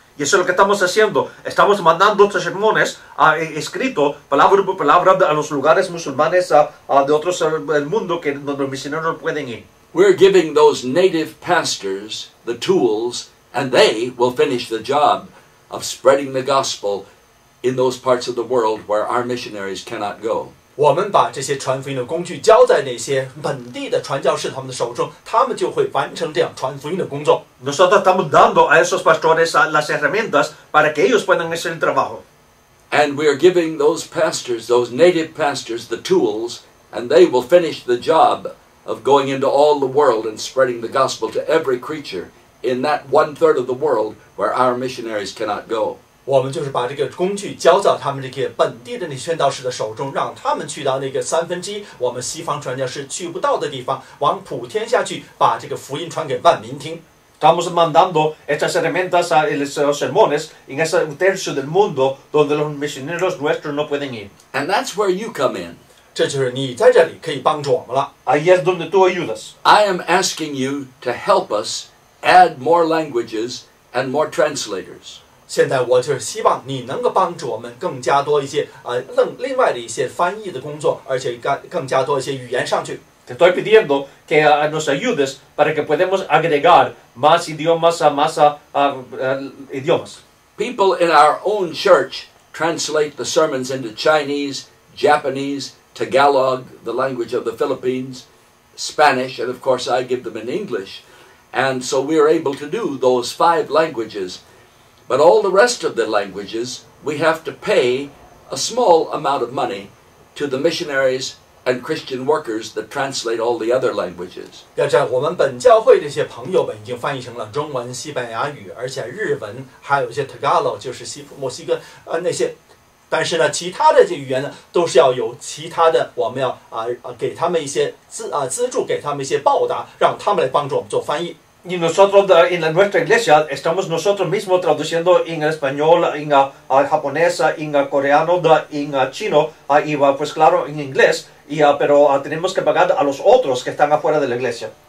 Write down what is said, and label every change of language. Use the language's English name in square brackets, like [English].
[Spanish] Y eso es lo que estamos haciendo. Estamos mandando estos sermones escritos palabra por palabra a los lugares musulmanes de otros del mundo que donde los misioneros no pueden ir. [English] We're giving those native pastors the tools, and they will finish the job of spreading the gospel in those parts of the world where our missionaries cannot go. [Chinese] 我们把这些传福音的工具交在那些本地的传教士他们的手中，他们就会完成这样传福音的工作。 [Spanish] Nosotros estamos dando a esos pastores las herramientas para que ellos puedan hacer el trabajo. [English] And we are giving those pastors, those native pastors, the tools, and they will finish the job of going into all the world and spreading the gospel to every creature in that one third of the world where our missionaries cannot go. [Chinese] 我们就是把这个工具交到他们这个本地的那宣道士的手中，让他们去到那个三分之一我们西方传教士去不到的地方，往普天下去把这个福音传给万民听。 [Spanish] Estamos mandando estas herramientas a los sermones en ese tercio del mundo donde los misioneros nuestros no pueden ir. [English] And that's where you come in. [Chinese] 这就是你在这里可以帮助我们了。 [Spanish] Ahí es donde tú ayudas. [English] I am asking you to help us add more languages and more translators. [Chinese] 现在我就是希望你能够帮助我们更加多一些另外的一些翻译的工作，而且更加多一些语言上去。 [Spanish] Te estoy pidiendo que nos ayudes para que podamos agregar más idiomas a más idiomas. [English] People in our own church translate the sermons into Chinese, Japanese, Tagalog, the language of the Philippines, Spanish, and of course I give them in English. And so we are able to do those five languages. But all the rest of the languages, we have to pay a small amount of money to the missionaries and Christian workers that translate all the other languages. [Chinese] 要知道，我们本教会这些朋友们已经翻译成了中文、西班牙语，而且日文，还有一些 Tagalog， 就是墨西哥那些。但是呢，其他的这语言呢，都是要有其他的，我们要给他们一些资助，给他们一些报答，让他们来帮助我们做翻译。 [Spanish] Y nosotros en nuestra iglesia estamos nosotros mismos traduciendo en español, en japonés, en coreano, en chino, y pues claro, en inglés, pero tenemos que pagar a los otros que están afuera de la iglesia.